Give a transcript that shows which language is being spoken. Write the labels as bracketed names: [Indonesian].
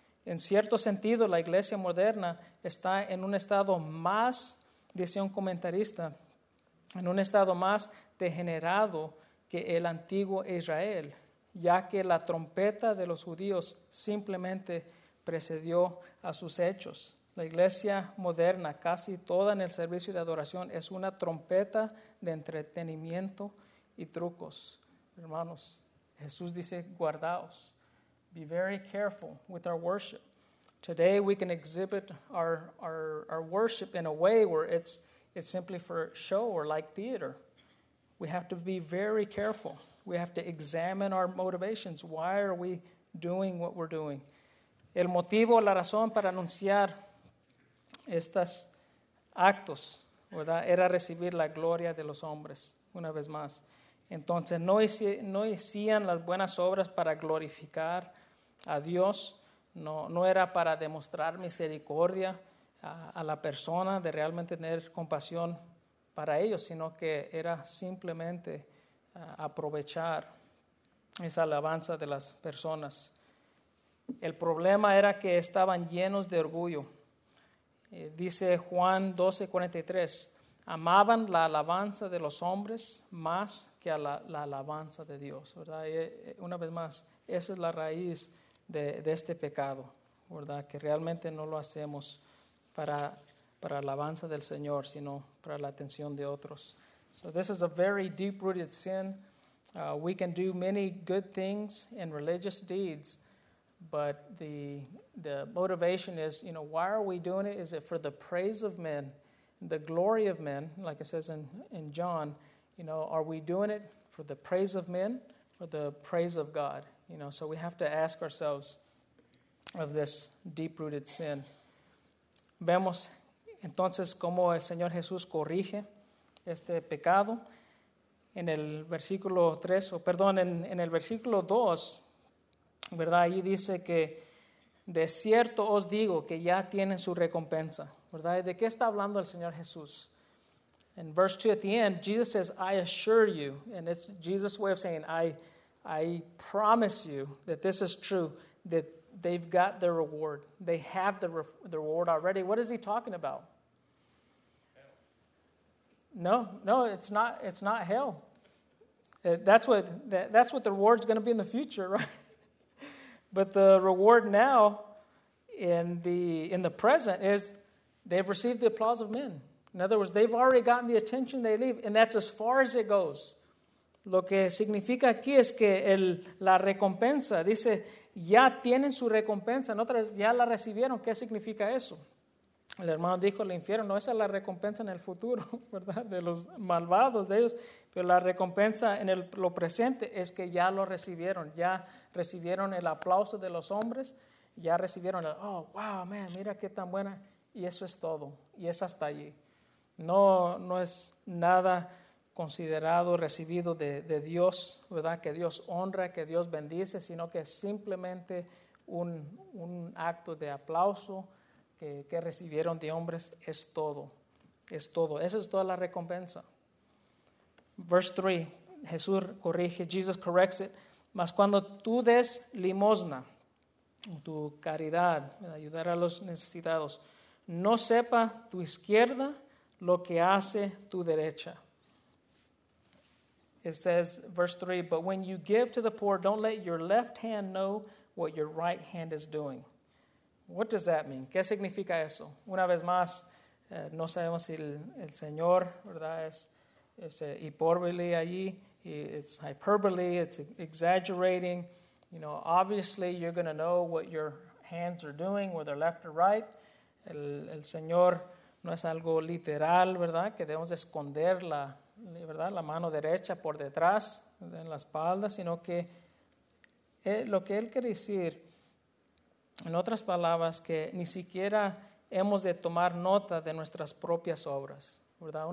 [Spanish] En cierto sentido, la iglesia moderna está en un estado más, dice un comentarista, en un estado más degenerado que el antiguo Israel, ya que la trompeta de los judíos simplemente precedió a sus hechos. La iglesia moderna, casi toda en el servicio de adoración, es una trompeta de entretenimiento y trucos. Hermanos, Jesús dice, guardaos. [English] Be very careful with our worship. Today we can exhibit our worship in a way where it's simply for show or like theater. We have to be very careful. We have to examine our motivations. Why are we doing what we're doing? [Spanish] El motivo, la razón para anunciar estos actos, ¿verdad? Era recibir la gloria de los hombres, una vez más. Entonces, no hacían las buenas obras para glorificar a Dios. No era para demostrar misericordia a la persona, de realmente tener compasión para ellos, sino que era simplemente aprovechar esa alabanza de las personas. El problema era que estaban llenos de orgullo. Dice Juan 12:43, amaban la alabanza de los hombres más que a la alabanza de Dios, ¿verdad? Y una vez más, esa es la raíz de este pecado, ¿verdad? Que realmente no lo hacemos para alabanza del Señor, sino para la atención de otros. [English] So this is a very deep-rooted sin. We can do many good things and religious deeds, but the motivation is, you know, why are we doing it? Is it for the praise of men, the glory of men, like it says in John? You know, are we doing it for the praise of men, for the praise of God? You know, so we have to ask ourselves of this deep-rooted sin. [Spanish] Vemos entonces cómo el Señor Jesús corrige este pecado. En el versículo 3, o perdón, en el versículo 2, ¿verdad? Ahí dice que de cierto os digo que ya tienen su recompensa, ¿verdad? ¿De qué está hablando el Señor Jesús? [English] En verse 2 at the end, Jesus says, I assure you, and it's Jesus' way of saying, I promise you that this is true, that they've got their reward. They have the reward already. What is he talking about? No, it's not hell. That's what the reward's going to be in the future, right? But the reward now in the present is they've received the applause of men. In other words, they've already gotten the attention they need, and that's as far as it goes. [Spanish] Lo que significa aquí es que la recompensa, dice, ya tienen su recompensa, en otras ya la recibieron. ¿Qué significa eso? El hermano dijo, el infierno, no, esa es la recompensa en el futuro, ¿verdad? De los malvados, de ellos. Pero la recompensa en lo presente es que ya lo recibieron. Ya recibieron el aplauso de los hombres. Ya recibieron el, oh, [English] wow, man, [Spanish] mira qué tan buena. Y eso es todo. Y es hasta allí. No es nada considerado, recibido de Dios, ¿verdad? Que Dios honra, que Dios bendice, sino que es simplemente un acto de aplauso que recibieron de hombres, es todo, es todo. Esa es toda la recompensa. [English] Verse 3, [Spanish] Jesús corrige, [English] Jesus corrects it. [Spanish] Mas cuando tú des limosna, tu caridad, ayudar a los necesitados, no sepa tu izquierda lo que hace tu derecha. [English] It says, verse 3, but when you give to the poor, don't let your left hand know what your right hand is doing. What does that mean? [Spanish] ¿Qué significa eso? Una vez más, no sabemos si el Señor, ¿verdad? Es hipérbole allí. [English] It's hyperbole. It's exaggerating. You know, obviously, you're going to know what your hands are doing, whether left or right. [Spanish] El Señor no es algo literal, ¿verdad? Que debemos esconder la mano derecha por detrás, en la espalda, sino que lo que Él quiere decir, en otras palabras, que ni siquiera hemos de tomar nota de nuestras propias obras, ¿verdad?